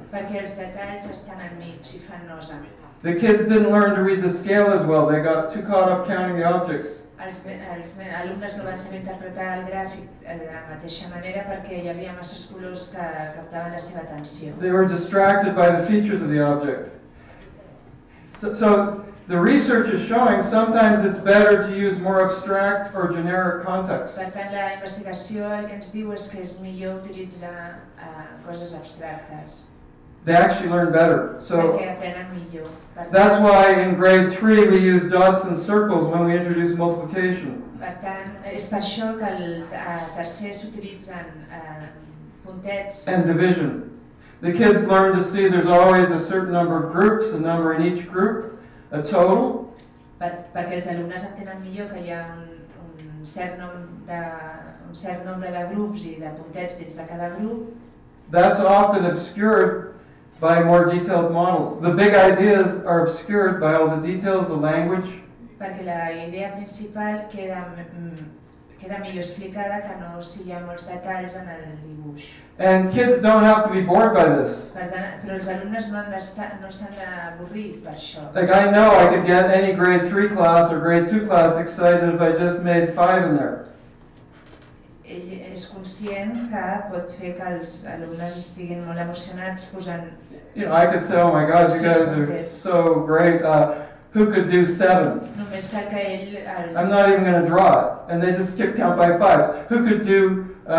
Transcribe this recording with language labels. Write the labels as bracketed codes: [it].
[ca] Perquè els detalls estan al mig i fan nosa. [en] The kids didn't learn to read the scale as well. They got too caught up counting the objects. [ca] Els alumnes no van saber interpretar el gràfic de la mateixa manera perquè hi havia massa colors que captaven la seva atenció. [en] They were distracted by the features of the object. So the research is showing sometimes it's better to use more abstract or generic context. [ca] Per tant, la investigació el que ens diu és que és millor utilitzar coses abstractes. [en] They actually learn better. So [ca] millor, [en] that's why in grade 3 we use dots and circles when we introduce multiplication. [ca] Per tant, és per això que el tercer s'utilitzen puntets. [en] And division. The kids learn to see there's always a certain number of groups, a number in each group, a total. [ca] Perquè els alumnes entenen millor que hi ha un cert nombre de grups i de puntets dins de cada grup. [en] That's often obscured by more detailed models. The big ideas are obscured by all the details, the language. [ca] Perquè la idea principal queda millor explicada que no si hi ha molts detalls en el dibuix. [en] And kids don't have to be bored by this. [ca] Però els alumnes no s'han d'avorrir per això. [en] Like I know I could get any grade 3 class or grade 2 class excited if I just made 5 in there. [ca] Ell és conscient que pot fer que els alumnes estiguin molt emocionats posant... [en] You know, I could say, oh my god, you guys are so great, who could do 7? [ca] Només cal que ell... [en] I'm not even going to draw it, and they just skip count by 5.